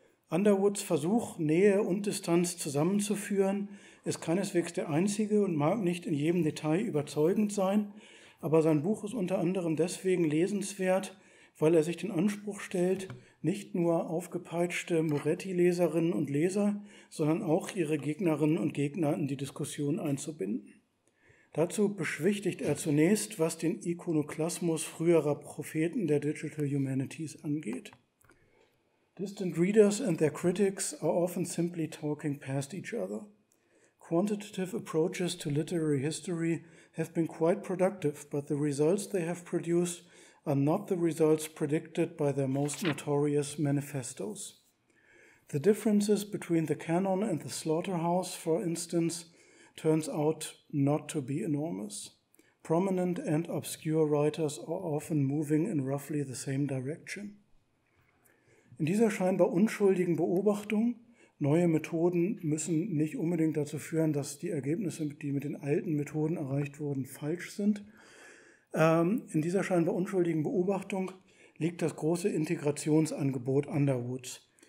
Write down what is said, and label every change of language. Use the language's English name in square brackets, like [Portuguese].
[German] Underwoods Versuch, Nähe und Distanz zusammenzuführen, ist keineswegs der einzige und mag nicht in jedem Detail überzeugend sein, aber sein Buch ist unter anderem deswegen lesenswert, weil er sich den Anspruch stellt, nicht nur aufgepeitschte Moretti-Leserinnen und Leser, sondern auch ihre Gegnerinnen und Gegner in die Diskussion einzubinden. Dazu beschwichtigt er zunächst, was den Ikonoklasmus früherer Propheten der Digital Humanities angeht. [English] Distant readers and their critics are often simply talking past each other. Quantitative approaches to literary history have been quite productive, but the results they have produced are not the results predicted by their most notorious manifestos. The differences between the canon and the slaughterhouse, for instance, turns out not to be enormous. Prominent and obscure writers are often moving in roughly the same direction. [German] In dieser scheinbar unschuldigen Beobachtung, neue Methoden müssen nicht unbedingt dazu führen, dass die Ergebnisse, die mit den alten Methoden erreicht wurden, falsch sind. In dieser scheinbar unschuldigen Beobachtung liegt das große Integrationsangebot Underwoods.